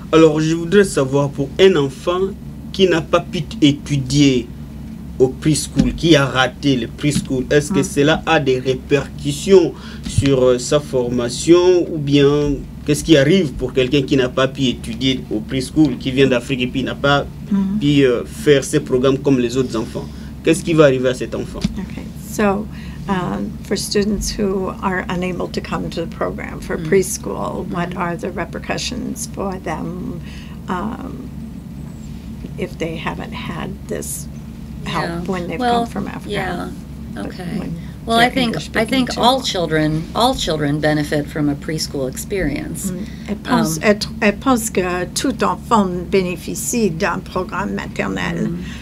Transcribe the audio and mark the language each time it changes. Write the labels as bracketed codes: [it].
[fr] Alors, je voudrais savoir, pour un enfant qui n'a pas pu étudier au preschool, qui a raté le preschool, est-ce que cela a des répercussions sur sa formation ou bien qu'est-ce qui arrive pour quelqu'un qui n'a pas pu étudier au preschool, qui vient d'Afrique et puis n'a pas pu faire ses programmes comme les autres enfants? Qu'est-ce qui va arriver à cet enfant? [en] Okay. So, for students who are unable to come to the program for preschool, what are the repercussions for them if they haven't had this help when they've come from Africa? Yeah, okay. Well, I think all children benefit from a preschool experience. [fr] Je pense que tout enfant bénéficie d'un programme maternel.